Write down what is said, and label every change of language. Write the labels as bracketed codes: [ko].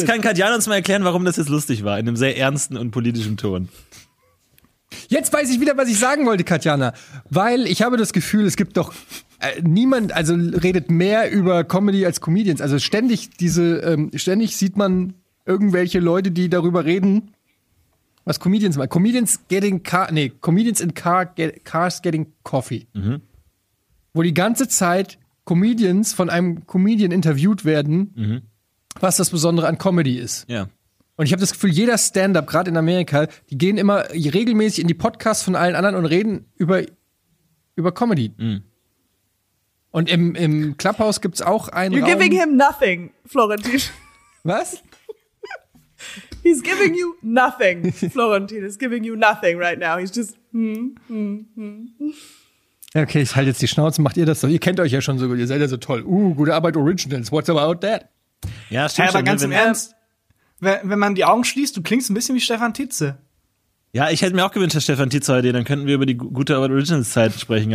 [de] Jetzt kann Katjana uns mal erklären, warum das jetzt lustig war, in einem sehr ernsten und politischen Ton. Jetzt weiß ich wieder, was ich sagen wollte, Katjana. Weil ich habe das Gefühl, es gibt doch niemand, also redet mehr über Comedy als Comedians. Also ständig diese, ständig sieht man irgendwelche Leute, die darüber reden, was Comedians machen. [en] Comedians in cars getting coffee. Mhm. [de] Wo die ganze Zeit Comedians von einem Comedian interviewt werden, was das Besondere an Comedy ist. Ja. Und ich habe das Gefühl, jeder Stand-up, gerade in Amerika, die gehen immer regelmäßig in die Podcasts von allen anderen und reden über Comedy. Mhm. Und im Clubhouse gibt's auch einen [en] You're giving him nothing, Florentin. [de] Was? [en] He's giving you nothing, Florentin. He's giving you nothing right now. He's just [de] Okay, ich halte jetzt die Schnauze. Macht ihr das so? Ihr kennt euch ja schon so gut. Ihr seid ja so toll. Gute Arbeit, Originals. [en] What's about that? [de] Ja, stimmt schon. Aber ganz im Ernst, wenn man die Augen schließt, du klingst ein bisschen wie Stefan Tietze. Ja, ich hätte mir auch gewünscht, dass Stefan Tietze heute, dann könnten wir über die gute Arbeit, Originals-Zeit sprechen.